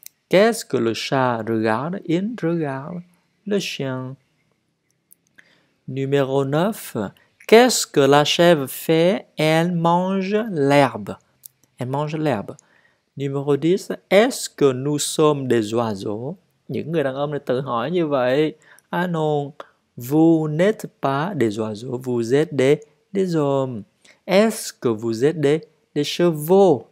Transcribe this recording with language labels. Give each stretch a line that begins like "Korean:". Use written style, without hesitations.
French: Qu'est-ce que le chat regarde? Il regarde le chien. Numéro 9. Qu'est-ce que la chèvre fait? Elle mange l'herbe. Elle mange l'herbe. Numéro 10. Est-ce que nous sommes des oiseaux?
Vietnamese: Những người đàn ông này tự hỏi như vậy.
French: Ah non, vous n'êtes pas des oiseaux. Vous êtes des hommes. Est-ce que vous êtes des chevaux?